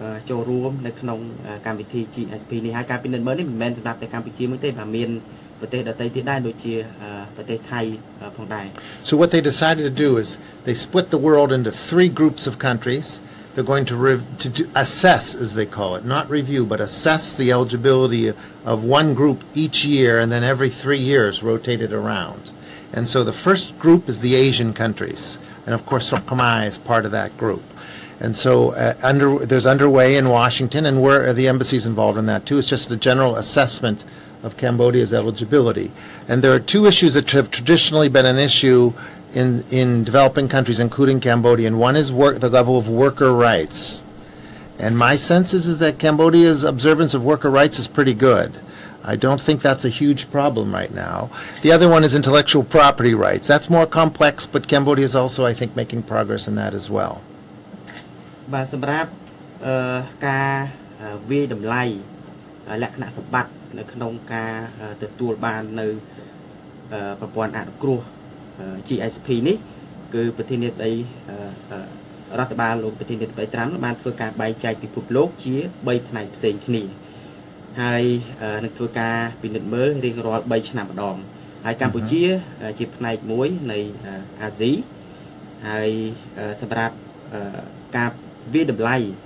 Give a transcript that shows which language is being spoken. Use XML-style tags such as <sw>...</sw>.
<km>ចូលរួមនៅក្នុងកម្មវិធី GSP នេះហើយការពិនិត្យមើលនេះមិនមែនសម្រាប់តែកម្ពុជាមួយទេបាទមានប្រទេសដទៃទៀតដែរដូចជាប្រទេសថៃផងដែរ</km> <en>So what they decided to do is they split the world into three groups of countries. They're going to assess, as they call it, not review, but assess the eligibility of one group each year, and then every 3 years rotate it around. And so the first group is the Asian countries, and of course Sok Khmer is part of that group. And so there's underway in Washington, and where are the embassies involved in that too? It's just a general assessment of Cambodia's eligibility. And there are two issues that have traditionally been an issue in developing countries, including Cambodia. And one is the level of worker rights. And my sense is that Cambodia's observance of worker rights is pretty good. I don't think that's a huge problem right now. The other one is intellectual property rights. That's more complex, but Cambodia is also, I think, making progress in that as well. But</en> <km>សម្រាប់ការវាតម្លៃលក្ខណៈសម្បត្តិនៅក្នុងការទទួលបាននៅប្រព័ន្ធអនុគ្រោះGSP នេះគឺប្រធានាធិបតី រដ្ឋបាលលោកប្រធានាធិបតីត្រាំបានធ្វើការបែងចែកពិភពលោកជា3ផ្នែកផ្សេងគ្នាហើយនឹងធ្វើការពិនិត្យមើលរៀងរាល់3ឆ្នាំម្ដងហើយកម្ពុជាជាផ្នែកមួយនៃអាស៊ីហើយសម្រាប់ការ វិធីដំឡៃ</km>